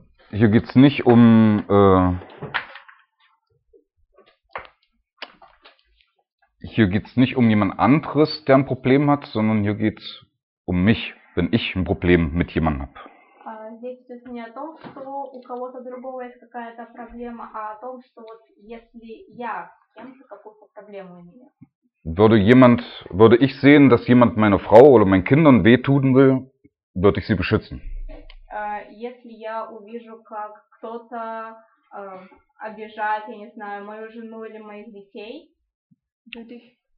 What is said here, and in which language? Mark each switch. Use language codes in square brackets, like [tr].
[de] Hier geht's nicht um jemand anderes, der ein Problem hat, sondern hier geht's um mich, wenn ich ein Problem mit jemandem habe. [ru] Здесь идет не о том, что у кого-то другого есть какая-то проблема, а о том, что вот если я кем-то какую-то проблему имею. [de] Würde ich sehen, dass jemand meiner Frau oder meinen Kindern wehtun will, würde ich sie beschützen. [ru] Если я увижу, как кто-то обижает, я не знаю, мою жену или моих детей, [de] würde ich